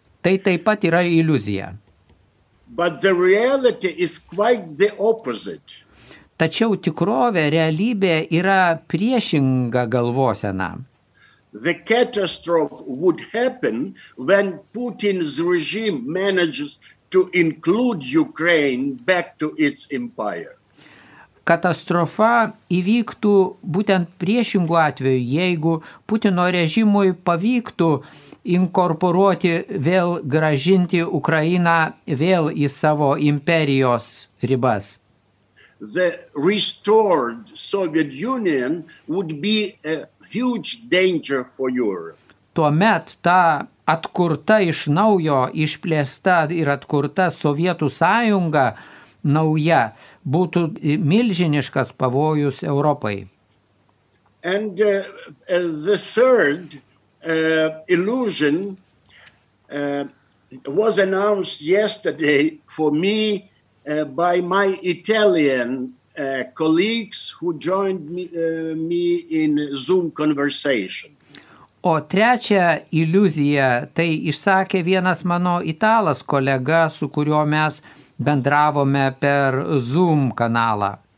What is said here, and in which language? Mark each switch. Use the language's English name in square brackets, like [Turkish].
[Lithuanian] Tai taip pat yra iliuzija. [English] But the reality is quite the opposite. [Lithuanian] Tačiau tikrovė, realybė yra priešinga galvosena. [English] The catastrophe would happen when Putin's regime manages to include Ukraine back to its empire. [Lithuanian] Katastrofa įvyktų būtent priešingų atveju, jeigu Putino režimui pavyktų inkorporuoti, vėl gražinti Ukrainą vėl į savo imperijos ribas. [English] The restored Soviet Union would be a huge danger for Europe. [Lithuanian] Tuomet ta atkurta iš naujo, išplėsta ir atkurta Sovietų sąjunga nauja būtų milžiniškas pavojus Europai. [English] And the third illusion was announced yesterday for me by my Italian colleagues who joined me in Zoom conversation. [Lithuanian] O trečia iliuzija, tai išsakė vienas mano italas kolega, su kuriuo mes bendravome per Zoom kanalą.